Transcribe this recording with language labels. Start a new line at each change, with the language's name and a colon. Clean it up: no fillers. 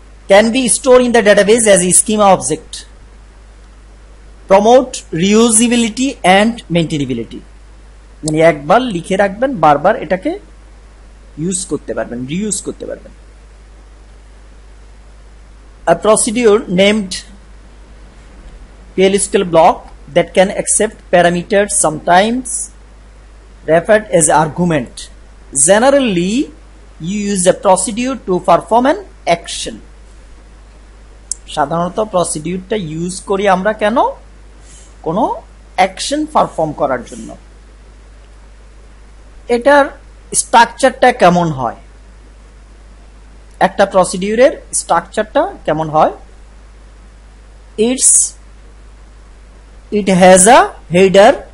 English: can be store in the database as schema object, promote reusability and maintainability,
Bangla: মানে একবার লিখে রাখবেন, বারবার এটাকে ইউজ করতে পারবেন,
English: Reuse করতে পারবেন। Procedure named PLSQL block that can accept parameters sometimes referred as argument. Generally, you use a procedure to perform an action.
Bangla: সাধারণত প্রসিডিউরটা ইউজ করি আমরা কেন, কোনো অ্যাকশন পারফর্ম করার জন্য। এটার স্ট্রাকচারটা কেমন হয়, একটা প্রসিডিউরের স্ট্রাকচারটা কেমন হয়,
English: It has a header.